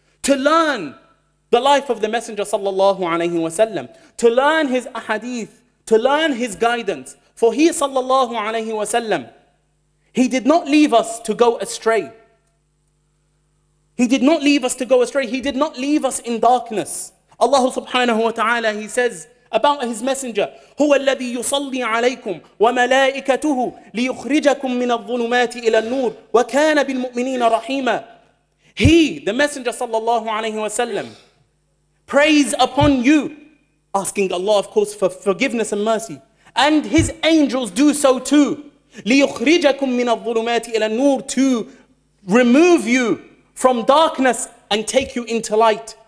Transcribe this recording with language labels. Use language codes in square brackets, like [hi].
[en] To learn the life of the Messenger sallallahu alayhi wa sallam. To learn his ahadith, to learn his guidance. For he sallallahu alayhi wa sallam, he did not leave us to go astray. He did not leave us in darkness. [ar] Allah subhanahu wa ta'ala, [en] he says, about his messenger, [ar] هو الذي يصلي عليكم وملائكته ليخرجكم من الظلمات إلى النور وكان بالمؤمنين رحيما. [en] He, the messenger sallallahu alayhi wa sallam, prays upon you, asking Allah of course for forgiveness and mercy, and his angels do so too, [ar] ليخرجكم من الظلمات إلى النور, [en] to remove you from darkness and take you into light.